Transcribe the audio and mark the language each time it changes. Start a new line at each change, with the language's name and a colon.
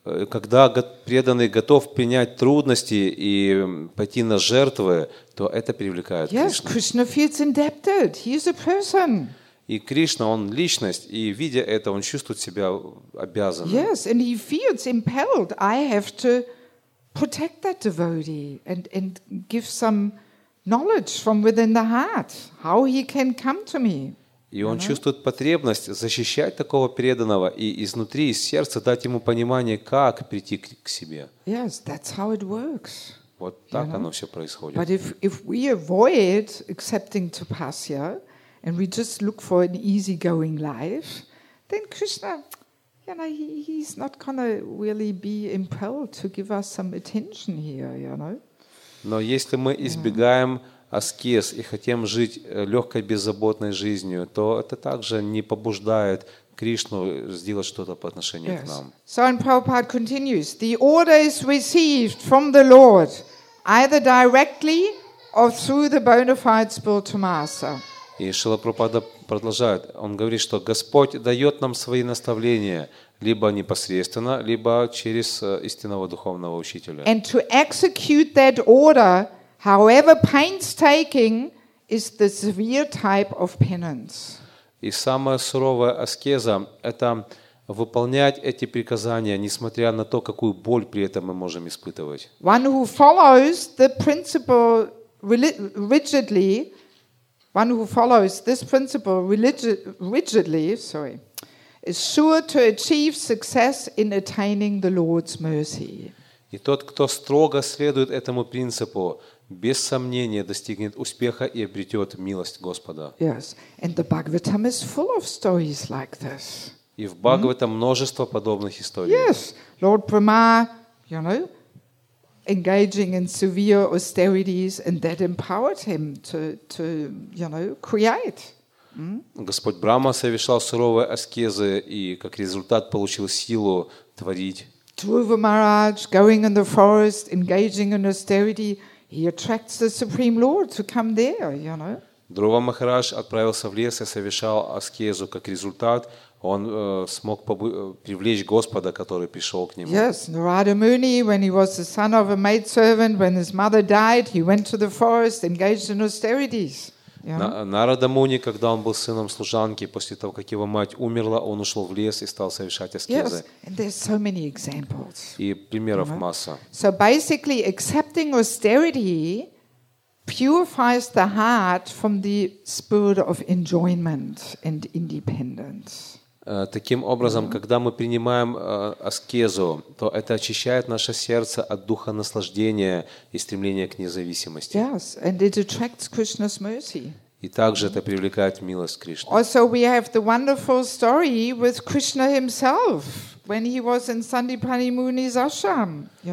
Russian: Когда преданный готов принять трудности и пойти на жертвы, то это привлекает
English: Кришну. Yes, Krishna feels indebted. He is a person.
Russian: И Кришна, он личность, и видя это, он чувствует себя обязанным.
English: Yes, and he feels impelled. I have to protect that devotee and give some knowledge from within the heart how he can come to me.
Russian: И он чувствует потребность защищать такого преданного и изнутри, из сердца, дать ему понимание, как прийти к себе.
English: Yes, that's how it works.
Russian: Вот так оно все происходит.
English: But if we avoid accepting tapasya and we just look for an easygoing life, then Krishna, he's not gonna really be impelled to give us some attention here,
Russian: Но если мы избегаем аскез и хотим жить легкой, беззаботной жизнью, то это также не побуждает Кришну сделать что-то по отношению к нам.
English: So and Prabhupada continues, the order is received from the Lord either directly or through the bona fide spiritual master.
Russian: И Шрила Прабхупада продолжает, он говорит, что Господь дает нам свои наставления либо непосредственно, либо через истинного духовного учителя.
English: And to execute that order, however painstaking, is the severe type of penance.
Russian: И самая суровая аскеза – это выполнять эти приказания, несмотря на то, какую боль при этом мы можем испытывать.
English: One who follows the principle rigidly, one who follows this principle rigidly, is sure to achieve success in attaining the Lord's mercy.
Russian: И тот, кто строго следует этому принципу, без сомнения достигнет успеха и обретет милость Господа.
English: Yes, and the Bhagavatam is full of stories like this.
Russian: И в Бхагаватам множество подобных историй.
English: Yes, Lord Brahma, engaging in severe austerities, and that empowered him to create.
Russian: Господь Брама совершал суровые аскезы и как результат получил силу творить.
English: Dhruva Maharaj going in the forest, engaging in austerity. He attracts the Supreme Lord to come there,
Russian: Dhruva Maharaj отправился в лес и совершал аскезу. Как результат, он смог привлечь Господа, который пришел к нему.
English: Yes, Narada Muni, when he was the son of a maidservant, when his mother died, he went to the forest, engaged in austerities.
Russian: Narada Muni, когда он был сыном служанки, после того, как его мать умерла, он ушел в лес и стал совершать аскезы.
English: Yes, and there's so many examples.
Russian: И примеров масса.
English: So basically, accepting austerity purifies the heart from the spirit of enjoyment and independence.
Russian: Таким образом, когда мы принимаем аскезу, то это очищает наше сердце от духа наслаждения и стремления к независимости.
English: Yes, and it attracts Krishna's mercy.
Russian: И также это привлекает милость Кришны.
English: Also, we have the wonderful story with Krishna himself when he was in Sandipani Muni's ashram.